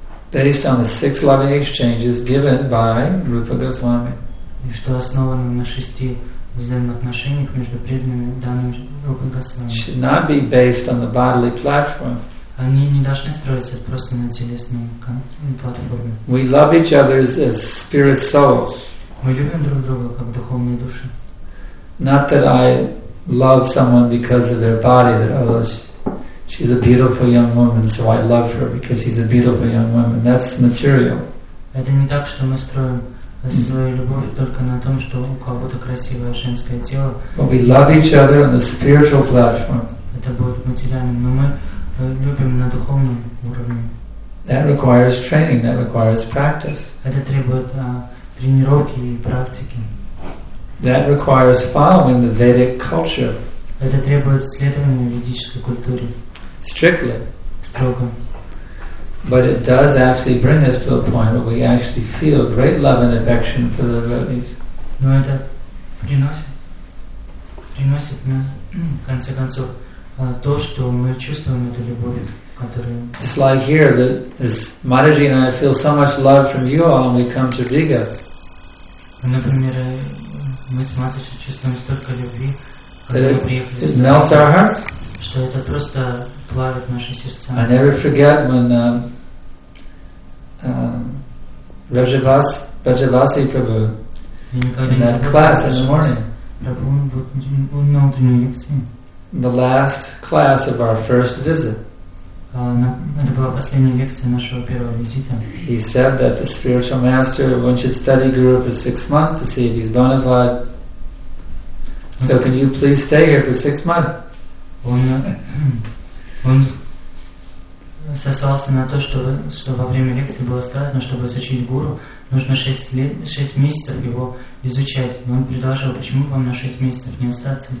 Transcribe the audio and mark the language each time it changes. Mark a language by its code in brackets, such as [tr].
[en] Based on the six loving exchanges given by Rupa Goswami. [ru] Что основано на шести взаимоотношениях между преданными данными Рупа Госвами. [en] Should not be based on the bodily platform. [ru] Они не должны строиться просто на телесном платформе. [en] We love each other as spirit souls. [ru] Мы любим друг друга как духовные души. [en] Not that I love someone because of their body, that others. She's a beautiful young woman, so I love her because she's a beautiful young woman. That's material. [ru] Это не так, что мы строим свою любовь только на том, что у кого-то красивое женское тело. [en] But we love each other on the spiritual platform. [ru] Это будет материальным, но мы любим на духовном уровне. [en] That requires training. That requires practice. [ru] Это требует тренировки и практики. [en] That requires following the Vedic culture. [ru] Это требует следования ведической культуре. [en] Strictly. [ru] Строго. [en] But it does actually bring us to a point where we actually feel great love and affection for the devotees. [ru] Но это приносит нам, в конце концов, то, что мы чувствуем эту любовь, которую... [en] Just like here, there's Mataji and I feel so much love from you all when we come to Riga. [ru] Например, мы с Матаджи чувствуем столько любви, когда мы приехали сюда. [en] It melts our heart. [ru] Что это просто... [en] I never forget when Rajavasi Prabhu in that class in the morning. The last class of our first visit. He said that the spiritual master, one should study Guru for 6 months to see if he's bona fide. So can you please stay here for 6 months? [ru] Он сослался на то, что во время лекции было сказано, чтобы изучить гуру, нужно 6 месяцев его изучать. Но он предложил, почему вам на 6 месяцев не остаться?